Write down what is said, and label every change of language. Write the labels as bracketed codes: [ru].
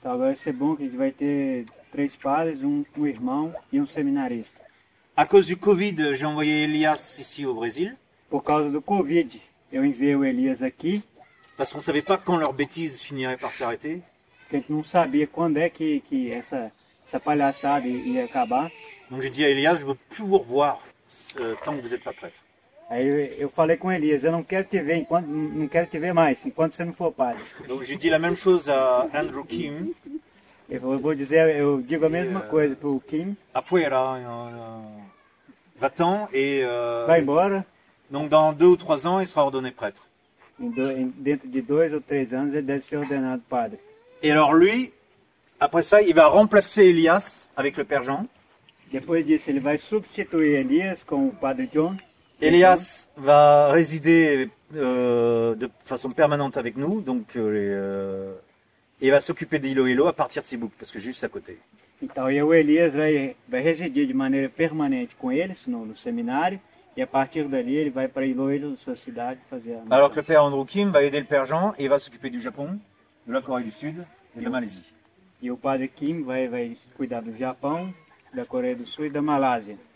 [pt] Talvez seja bom que a gente vai ter três padres, um irmão e um seminarista. [fr] À cause du Covid, j'ai envoyé Elias ici au Brésil. [pt] Por causa do Covid, eu enviei o Elias aqui. [fr] Parce qu'on savait pas quand leur bêtise finirait par s'arrêter. [pt] Porque a gente não sabia quando é que essa palhaçada ia acabar. [fr] Donc j'ai dit à Elias, je veux plus vous revoir tant que vous êtes pas prêtre. [pt] Aí eu falei com Elias, eu não quero te ver enquanto não quero te ver mais enquanto você não for padre. [fr] Donc j'ai dit la même chose à Andrew Kim. [pt] Eu digo a mesma coisa pro Kim. [fr] Afuera, va-t'en et [pt] vai embora. [fr] Donc dans deux ou trois ans, il sera ordonné prêtre. [pt] Dentro de dois ou três anos, ele deve ser ordenado padre. [fr] Et alors lui, après ça, il va remplacer Elias avec le père Jean. [pt] Depois disso, ele vai substituir Elias com o padre John. [fr] Elias va résider de façon permanente avec nous, donc il va s'occuper d'Iloilo à partir de Cebu, parce que juste à côté. [pt] Então, e o Elias vai résider de maneira permanente com eles no seminário, e à partir dali ele vai para Iloilo, sua cidade, fazer. [fr] Alors que le père Andrew Kim va aider le père Jean et va s'occuper du Japon, de la Corée du Sud et de la Malaisie. [pt] E o padre Kim vai cuidar do Japão, da Coreia do Sul e da Malásia.